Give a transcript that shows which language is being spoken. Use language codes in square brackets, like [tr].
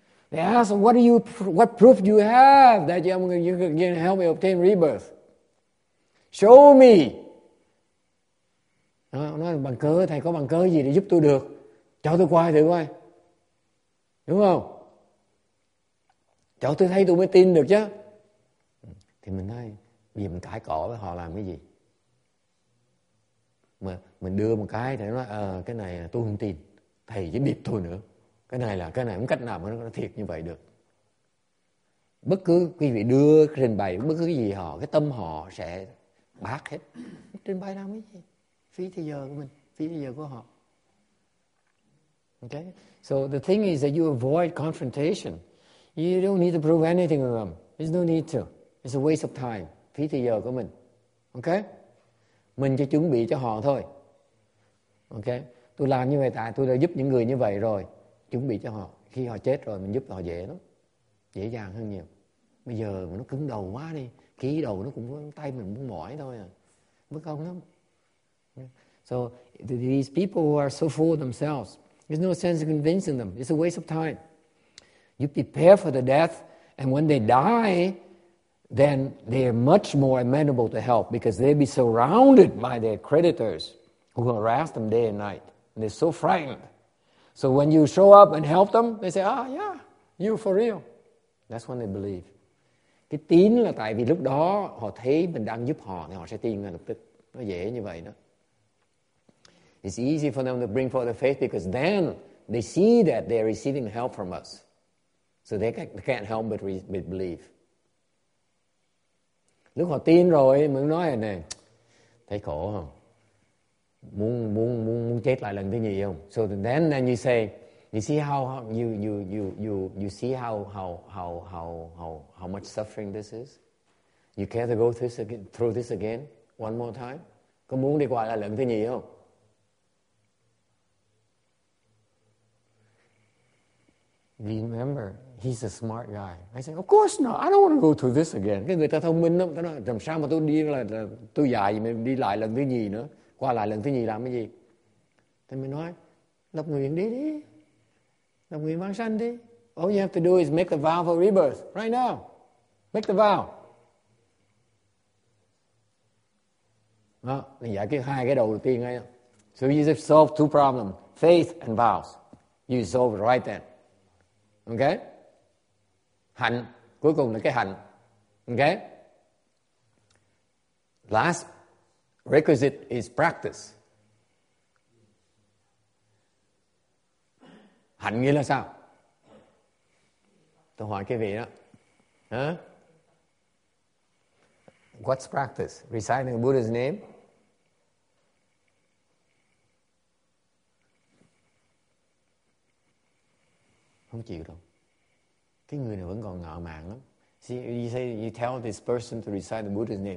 [en] They ask, what proof do you have that you can help me obtain rebirth? Show me. [vi] Nó bằng cớ, thầy có bằng cớ gì để giúp tôi được? Cho tôi qua thử coi. Đúng không? Cho tôi thấy tôi mới tin được chứ. Thì mình nói, bây giờ mình cãi cọ với họ làm cái gì? Mà mình đưa một cái, thầy nói, cái này tôi không tin. Thầy chỉ điệp tôi nữa. Cái này là cái này không cách nào mà nó thiệt như vậy được. Bất cứ quý vị đưa trình bày, bất cứ cái gì họ, cái tâm họ sẽ bác hết. Trình bày làm cái gì? Phí thời giờ của mình, phí thời giờ của họ. [en] Okay? So the thing is that you avoid confrontation. You don't need to prove anything to them. There's no need to. It's a waste of time. [vi] Phí thời giờ của mình. [en] Okay? [vi] Mình chỉ chuẩn bị cho họ thôi. Okay? Tôi làm như vậy tại tôi đã giúp những người như vậy rồi. Chuẩn bị cho họ. Khi họ chết rồi mình giúp họ dễ lắm. Dễ dàng hơn nhiều. Bây giờ nó cứng đầu quá đi. Khi đầu nó cũng tay mình cũng mỏi thôi à. Bất công lắm. [en] So these people who are so full of themselves, there's no sense in convincing them. It's a waste of time. You prepare for the death, and when they die, then they're much more amenable to help because they'll be surrounded by their creditors who harass them day and night. And they're so frightened. So when you show up and help them, they say, ah, yeah, you for real. That's when they believe. [vi] Cái tín là tại vì lúc đó họ thấy mình đang giúp họ, thì họ sẽ tin ngay lập tức. Nó dễ như vậy đó. [en] It's easy for them to bring forth the faith because then they see that they're receiving help from us. So they can't help but believe. [vi] Lúc họ tin rồi, mình nói này, này thấy khổ không? Muốn chết lại lần thứ nhì không? [en] So then you say, you see how much suffering this is. You care to go through this again one more time? [vi] Có muốn đi qua lại lần thứ nhì không? [en] Remember, he's a smart guy. I said, of course not. I don't want to go through this again. [vi] Cái người ta thông minh lắm. Ta nói, làm sao mà tôi đi là tôi dài gì mà đi lại lần thứ nhì nữa. Qua lại lần thứ nhì làm cái gì? Thì mình nói, lập nguyện đi. Lập nguyện vãng sanh đi. [en] All you have to do is make the vow for rebirth. Right now. Make the vow. [vi] Đó, mình giải quyết hai cái đầu tiên ngay. [en] So you just solve two problems. Faith and vows. You solve it right then. Ok? [vi] Hạnh, cuối cùng là cái hạnh. [en] Ok? Last requisite is practice. [vi] Hạnh nghĩa là sao? Tôi hỏi cái vị đó. Huh? [en] What's practice? Reciting the Buddha's name? [vi] Không chịu đâu. Cái người này vẫn còn ngạo mạn lắm. [en] See, you say, you tell this person to recite the Buddha's name.